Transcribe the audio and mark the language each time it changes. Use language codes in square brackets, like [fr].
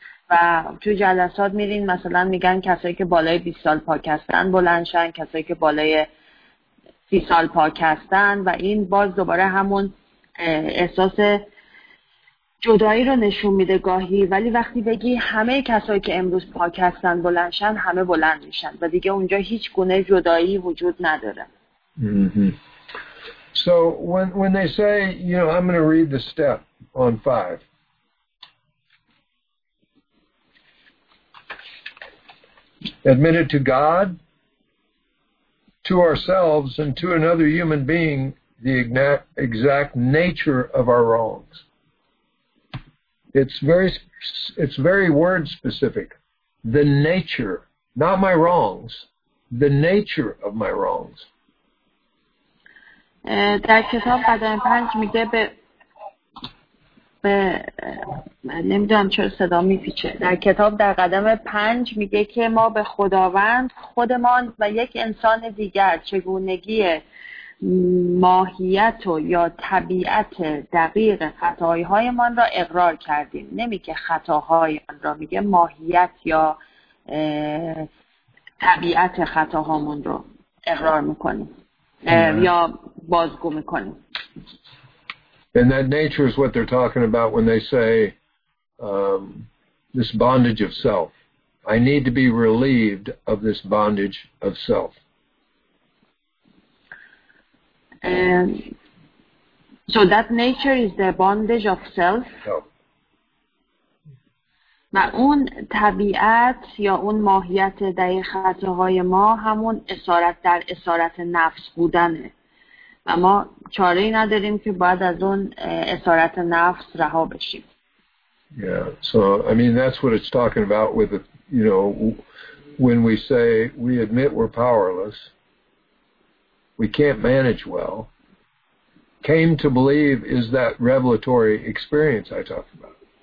[fa] و توی جلسات میرین مثلا میگن کسایی که بالای 20 سال پاک هستن بلندشن، کسایی که بالای 30 سال پاک هستن و این باز دوباره همون احساس جدایی رو نشون میده گاهی، ولی وقتی بگی همه کسایی که امروز پاک هستن بلندشن همه بلند میشن و دیگه اونجا هیچ گونه جدایی وجود نداره. [en] So when they say, you know, I'm going to read the step on 5. Admit it to God, to ourselves, and to another human being, the exact nature of our wrongs. It's very word specific. The nature, not my wrongs, the nature of my wrongs. [fa] در کتاب قدم 5 میگه نمیدونم چرا صدا میپیچه. در کتاب در قدم 5 میگه که ما به خداوند، خودمان و یک انسان دیگر چگونگی ماهیت و یا طبیعت دقیق خطاهایمان را اقرار کردیم. نمیگه خطاهایمان را، میگه ماهیت یا طبیعت خطاهامون را اقرار میکنیم یا بازگو میکنیم. [en] And that nature is what they're talking about when they say this bondage of self. I need to be relieved of this bondage of self. So that nature is the bondage of self. [fa] و اون طبیعت یا اون ماهیت دقیقتهای ما همون اسارت در اسارت نفس بودنه و ما چاره‌ای نداریم که بعد از اون اسارت نفس رها بشیم. [en] Yeah, so I mean that's what it's talking about with the, you know, when we say we admit we're powerless, we can't manage well. Came to believe is that revelatory experience I talked about.